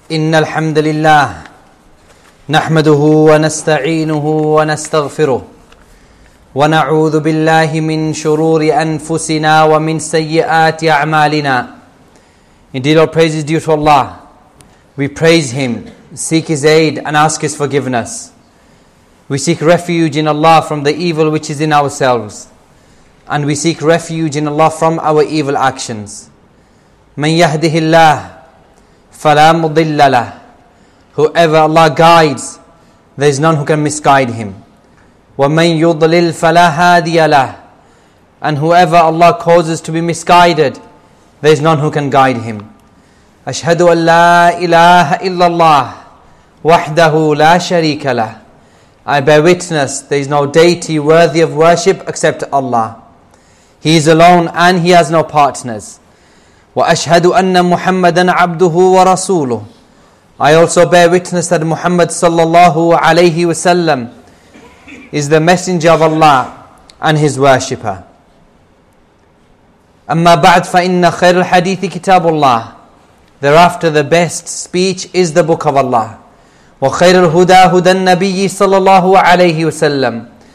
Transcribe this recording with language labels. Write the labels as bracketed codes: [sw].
[ar] إن الحمد لله نحمده ونستعينه ونستغفره ونعوذ بالله من شرور أنفسنا ومن سيئات أعمالنا. [en] Indeed, all praise is due to Allah. We praise Him, seek His aid, and ask His forgiveness. We seek refuge in Allah from the evil which is in ourselves, and we seek refuge in Allah from our evil actions. [ar] من يهده الله فلا مضل له. [en] Whoever Allah guides, there is none who can misguide him. [ar] وَمَنْ يُضْلِلْ فَلَا هَادِيَ لَهُ. [en] And whoever Allah causes to be misguided, there is none who can guide him. [ar] أَشْهَدُ أَنْ لَا إِلَهَ إِلَّا اللَّهُ وَحْدَهُ لَا شَرِيكَ لَهُ. [en] I bear witness, there is no deity worthy of worship except Allah. He is alone and He has no partners. [ar] وأشهد أن محمدا عبده ورسوله. [en] I also bear witness that Muhammad صلى الله عليه وسلم is the messenger of Allah and his worshipper. [ar] أما بعد فإن خير الحديث كتاب الله. [en] Thereafter the best speech is the book of Allah. [ar] وخير الهدى هدى النبي صلى الله عليه وسلم.